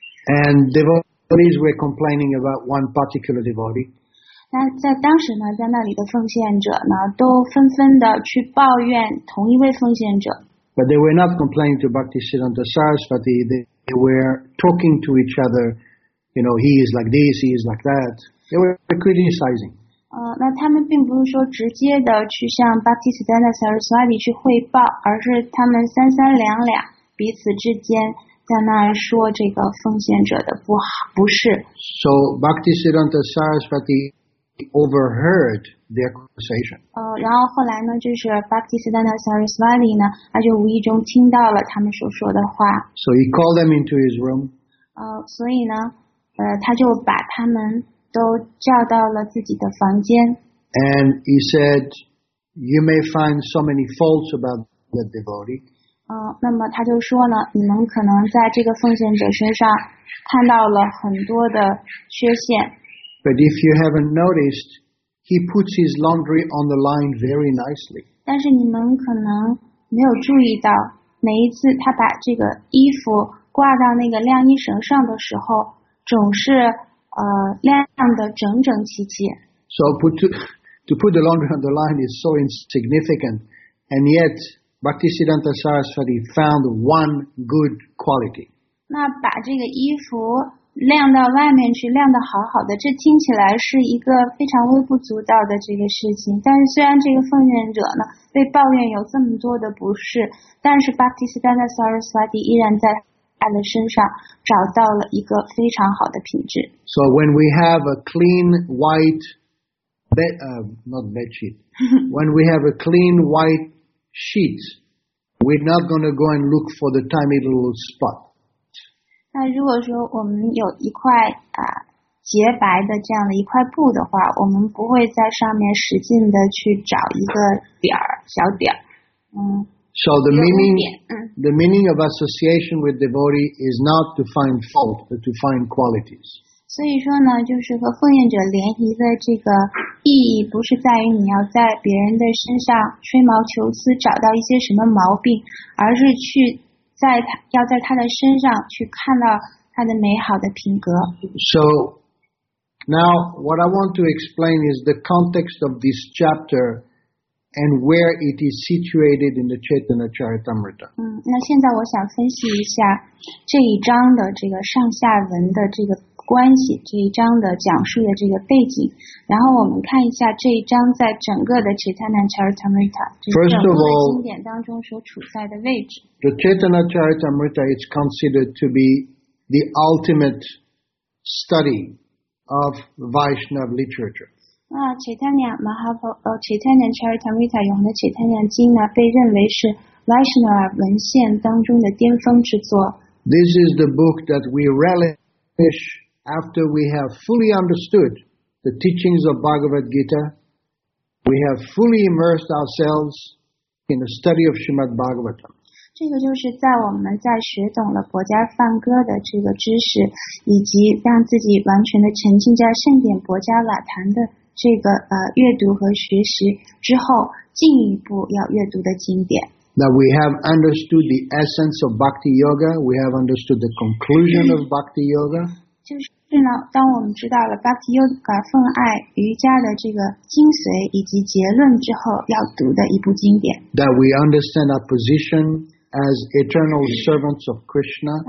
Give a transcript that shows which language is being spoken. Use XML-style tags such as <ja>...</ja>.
<en>And devotees were complaining about one particular devotee.</en> <zh>那在当时呢，在那里的奉献者呢，都纷纷的去抱怨同一位奉献者。</zh> <en>But they were not complaining to Bhaktisiddhanta Sarasvati. They were talking to each other. You know, he is like this, he is like that. They were criticizing.</en> <zh>那他们并不是说直接的去向 Bhaktisiddhanta Sarasvati 去汇报，而是他们三三两两彼此之间在那说这个奉献者的不好不是。</zh> <en>So Bhaktisiddhanta Sarasvati overheard their conversation.</en> <zh>然后后来呢，就是 Bhaktisiddhanta Sarasvati 呢，他就无意中听到了他们所说的话。</zh> <en>So he called them into his room.</en> <zh>所以呢，他就把他们都叫到了自己的房间。</zh> <en>And he said, "You may find so many faults about the devotee."</en> <zh>那么他就说呢，你们可能在这个奉献者身上看到了很多的缺陷。</zh> <en>But if you haven't noticed, he puts his laundry on the line very nicely.</en> <zh>但是你们可能没有注意到，每一次他把这个衣服挂到那个晾衣绳上的时候，总是晾得整整齐齐。</zh> <en>So to put the laundry on the line is so insignificant, and yet Bhaktisiddhanta Sarasvati found one good quality.</en> <zh>那把这个衣服晾到外面去晾得好好的，这听起来是一个非常微不足道的这个事情，但是虽然这个奉献者呢被抱怨有这么多的不是，但是 Bhaktisiddhanta Sarasvati 依然在他的身上找到了一个非常好的品质。</zh> <en>So when we have a clean white not bed sheet when we have a clean white sheet, we're not going to go and look for the tiny little spot.</en> <zh>那如果说我们有一块洁白的这样的一块布的话，我们不会在上面使劲的去找一个点儿小点儿。</zh> <en>So the meaning of association with devotee is not to find fault, but to find qualities.</en> <zh>所以说呢，就是和奉献者联谊的这个意义，不是在于你要在别人的身上吹毛求疵，找到一些什么毛病，而是去在他要在他的身上去看到他的美好的品格。</zh> <en>So now what I want to explain is the context of this chapter and where it is situated in the Chaitanya Charitamrita.</en> <zh>那现在我想分析一下这一章的这个上下文的这个关系，这一章的讲述的这个背景，然后我们看一下这一章在整个的 Chaitanya Charitamrita 整个经典当中所处在的位置。</zh> <en>First of all, the Chaitanya Charitamrita is considered to be the ultimate study of Vaishnava literature.</en> <zh>那 Chaitanya Charitamrita 用的 Chaitanya 经呢，被认为是 Vaishnava 文献当中的巅峰之作。</zh> <en>This is the book that we relish after we have fully understood the teachings of Bhagavad Gita, we have fully immersed ourselves in the study of Srimad Bhagavatam.</en> <zh>这个就是在我们在学懂了佛家梵歌的这个知识，以及让自己完全的沉浸在盛典佛家瓦坛的这个阅读和学习之后，进一步要阅读的经典。</zh> <en>Now we have understood the essence of Bhakti Yoga. We have understood the conclusion of Bhakti Yoga.</en> <zh>就是呢，当我们知道了 Bhakti Yoga 奉爱瑜伽的这个精髓以及结论之后，要读的一部经典。</zh> <en>That we understand our position as eternal servants of Krishna.</en>